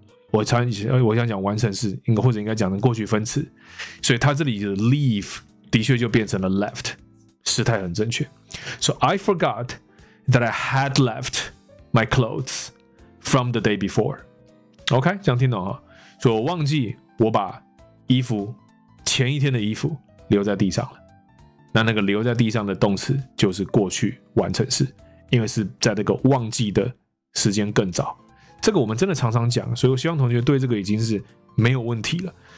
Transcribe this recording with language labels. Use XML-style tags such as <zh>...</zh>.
<zh>我想讲完成式，或者应该讲成过去分词，所以他这里的 leave 的确就变成了 left， 时态很正确。</zh> <en>So I forgot that I had left my clothes from the day before， OK，</en> <zh>这样听懂哈？所以我忘记我把衣服前一天的衣服留在地上了，那那个留在地上的动词就是过去完成式，因为是在那个忘记的时间更早。这个我们真的常常讲，所以我希望同学对这个已经是没有问题了。</zh>